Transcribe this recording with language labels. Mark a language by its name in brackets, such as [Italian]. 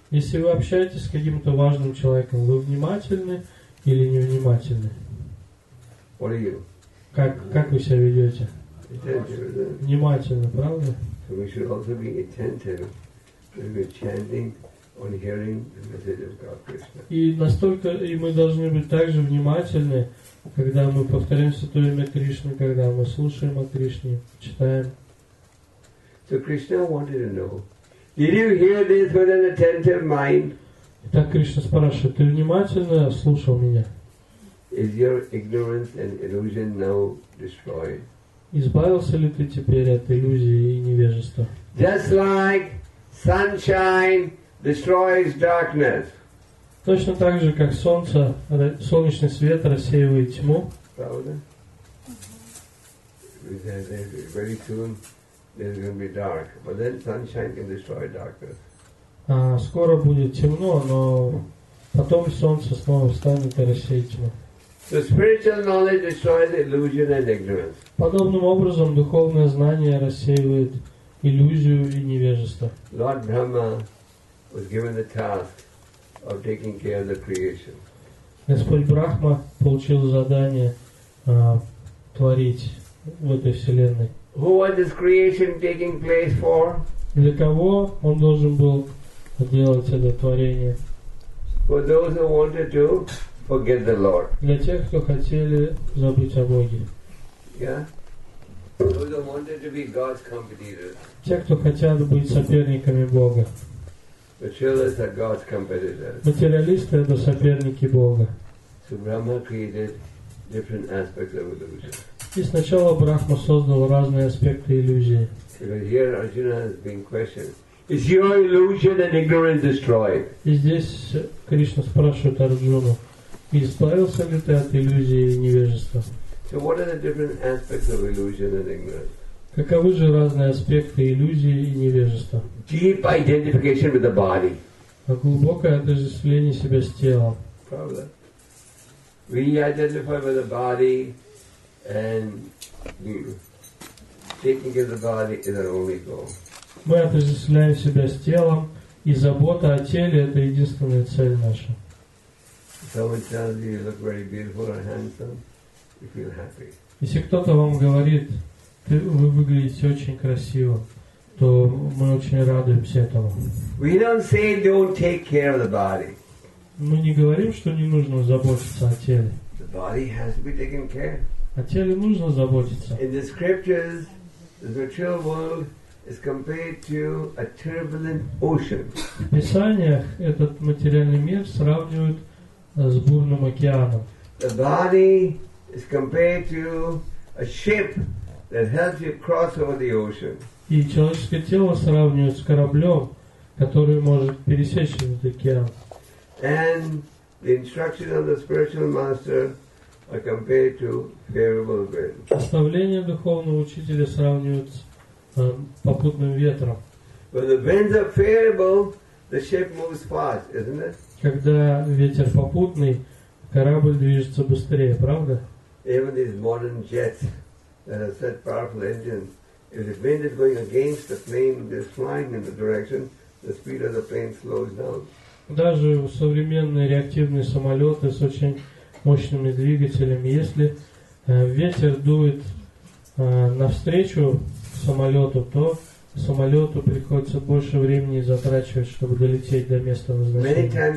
[Russian] Если вы общаетесь с каким-то важным человеком, вы внимательны или невнимательны? [English] What are you? [Russian] Как вы себя ведете? [English] Attentive. [Russian] Внимательно, правда? [English] So we should also be attentive when we're chanting. On hearing the message of God Krishna. [Russian] И настолько и мы должны быть также внимательны, когда мы повторяем святое имя Кришны, когда мы слушаем о Кришне, читаем. [English] So Krishna wanted to know, did you hear this with an attentive mind? [Russian] Итак, Кришна спрашивает, ты внимательно слушал меня? [English] Is your ignorance and illusion now destroyed? [Russian] Избавился ли ты теперь от иллюзии и невежества? [English] Just like sunshine destroys darkness. [Russian] Точно так же, как солнце, солнечный свет рассеивает тьму. Правда? [English] Very soon there's going to be dark, but then sunshine can destroy darkness. [Russian] Скоро будет темно, но потом солнце снова встанет и рассеет тьму. [English] So spiritual knowledge destroys illusion and ignorance. [Russian] Подобным образом духовное знание рассеивает иллюзию и невежество. [English] Lord Brahma was given the task of taking care of the creation. [Russian] Господь Брахма получил задание творить в этой вселенной. [English] Who was this creation taking place for? [Russian] Для кого он должен был делать это творение? [English] For those who wanted to forget the Lord. [Russian] Для тех, кто хотели забыть о Боге. [English] Yeah? Those who wanted to be God's competitors. [Russian] Те, кто хотят быть соперниками Бога. [English] Materialists are God's competitors. [Russian] Материалисты это соперники Бога. [English] So Brahma created different aspects of illusion. [Russian] И сначала Брахма создал разные аспекты иллюзии. [English] Because here Arjuna has been questioned. Is your illusion and ignorance destroyed? [Russian] И здесь Кришна спрашивает Арджуну: Избавился ли ты от иллюзии и невежества? [English] So what are the different aspects of illusion and ignorance? [Russian] Каковы же разные аспекты иллюзии и невежества? [English] Deep identification with the body. [Russian] Глубокое отождествление себя с телом. Правда? [English] We identify with the body, and taking care of the body is our only goal. [Russian] Мы отождествляем себя с телом, и забота о теле – это единственная цель наша. [English] Someone tells you, you look very beautiful and handsome, you feel happy. [Russian] Если кто-то вам говорит, вы выглядите очень красиво, то мы очень радуемся этому. [English] We don't say don't take care of the body. [Russian] Мы не говорим, что не нужно заботиться о теле. [English] The body has to be taken care. [Russian] О теле нужно заботиться. [English] In the scriptures, the material world is compared to a turbulent ocean. [Russian] В писаниях этот материальный мир сравнивают с бурным океаном. [English] The body is compared to a ship that helps you cross over the ocean. [Russian] И человеческое тело сравнивают с кораблем, который может пересечь этот океан. [English] And the instructions of the spiritual master are compared to favorable winds. [Russian] Наставления духовного учителя сравнивают с попутным ветром. [English] When the winds are favorable, the ship moves fast, isn't it? [Russian] Когда ветер попутный, корабль движется быстрее, правда? [English] Even these modern jets that have such powerful engines, if the wind is going against the plane, they're flying in the direction, the speed of the plane slows down. [Russian] Даже современные реактивные самолеты с очень мощными двигателями, если ветер дует навстречу самолету, то самолету приходится больше времени затрачивать, чтобы долететь до места назначения.